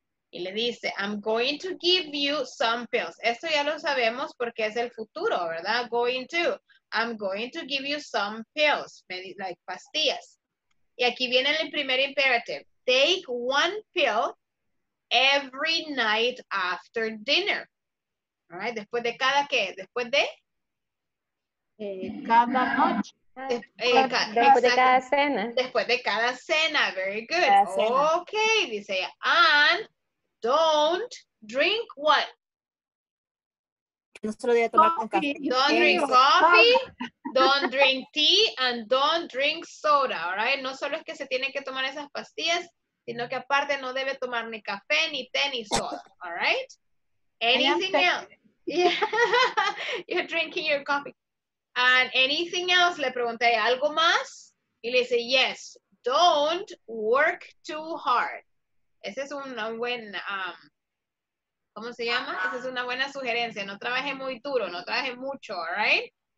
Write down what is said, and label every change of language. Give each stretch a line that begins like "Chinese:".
Spanish: Y le dice,
English: I'm going to give you some pills.
Spanish: Esto ya lo sabemos porque es el futuro, ¿verdad?
English: Going to. I'm going to give you some pills, like pastillas.
Spanish: Y aquí viene el primer imperative.
English: Take one pill every night after dinner.
Spanish: All right, después de cada qué? Después de? Cada noche. Después de cada cena.
English: Very good. Okay, dice, and don't drink what? Don't drink coffee, don't drink tea, and don't drink soda.
Spanish: All right, no solo es que se tienen que tomar esas pastillas, sino que aparte no debe tomar ni café, ni té, ni soda, all right?
English: Anything else? Yeah, you're drinking your coffee. And anything else,
Spanish: le pregunté, ¿algo más? Y le dice,
English: yes, don't work too hard.
Spanish: Esa es una buena, ¿cómo se llama? Esa es una buena sugerencia, no trabaje muy duro, no trabaje mucho, all right?